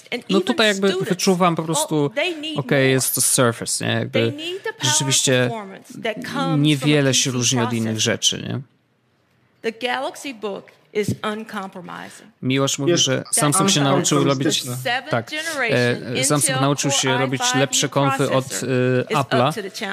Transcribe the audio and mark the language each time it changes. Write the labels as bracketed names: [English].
[Polish] No tutaj jakby wyczuwam po prostu, ok, jest to Surface, nie? Jakby rzeczywiście niewiele się różni od innych rzeczy, nie? [English] The Galaxy Book is uncompromising. [Polish] Miłosz mówi, że Samsung się nauczył robić, tak, Samsung nauczył się robić lepsze konfy od Apple'a.